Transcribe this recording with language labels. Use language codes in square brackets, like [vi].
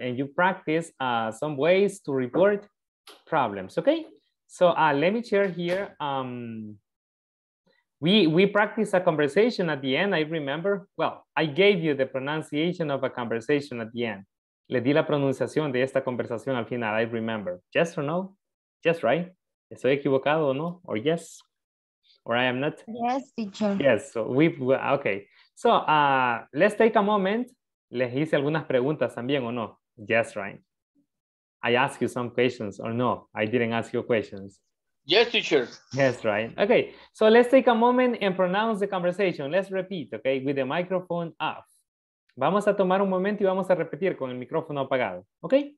[en] And you practice some ways to report problems, okay? So let me share here. We practice a conversation at the end, I remember. Well, I gave you the pronunciation of a conversation at the end. [es] Le di la pronunciación de esta conversación al final, [en] I remember. Yes or no? Yes, right? [es] ¿Estoy equivocado o no? [en] Or yes? Or I am not? Yes, teacher. Yes, so okay. So let's take a moment. [es] Les hice algunas preguntas también o no? [en] Yes, right? I asked you some questions or no? I didn't ask you questions. Yes, teacher. Yes, right. Okay, so let's take a moment and pronounce the conversation. Let's repeat, okay, with the microphone off. [es] Vamos a tomar un momento y vamos a repetir con el micrófono apagado, ¿ok?